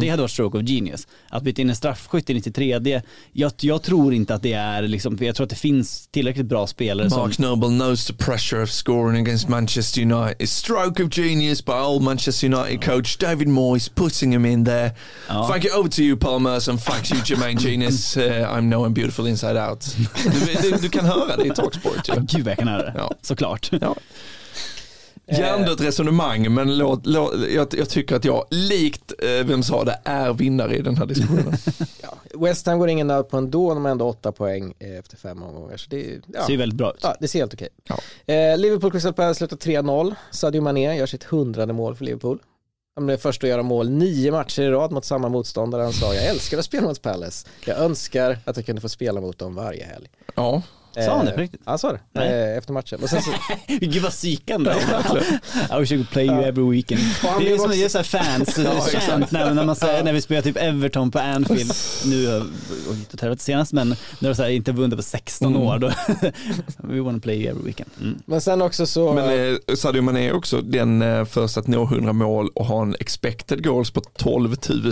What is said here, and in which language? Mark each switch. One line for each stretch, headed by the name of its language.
Swedish: Det hade varit
English: stroke of genius.
Swedish: Att byta in en straffskytt i 93:e, jag tror inte att det är... Liksom, jag tror att det finns tillräckligt bra spelare.
English: Mark Noble knows the pressure of scoring against Manchester United. It's stroke of genius by old Manchester United coach David Moyes putting him in there.
Swedish: Ja.
English: Thank you, over to you, Paul Merson. Thank you, Jermaine Genius. I'm no one beautiful inside out.
Swedish: Du kan höra det i Talksport. Gud, jag kan höra det. Såklart. Ja. Hjärndött resonemang, men jag tycker att jag, likt vem sa det, är vinnare i den här diskussionen. Ja, West Ham går ingen nöd på ändå, de har ändå 8 poäng efter 5 omgångar. Så det ser väldigt bra ut. Ja, det ser helt okej. Ja. Liverpool Crystal Palace slutar 3-0. Sadio Mané gör sitt 100:e mål för Liverpool. Han blev först att göra mål 9 matcher i rad mot samma motståndare. Han sa, jag älskar att spela mot Palace. Jag önskar att jag kunde få spela mot dem varje helg. Ja, sa han det på riktigt? Ja, sa det. Efter matchen. Och sen så... Gud vad sikande.
English: I wish I could play you every weekend.
Swedish: Det är ju som att göra såhär fans. när vi spelar typ Everton på Anfield. Nu har vi inte tävlat senast, men när du inte vunnit på 16 år. Då
English: we want to play you every weekend.
Swedish: Men sen också så... Men Sadio Mané är också den första att nå 100 mål och ha en expected goals på 12 000.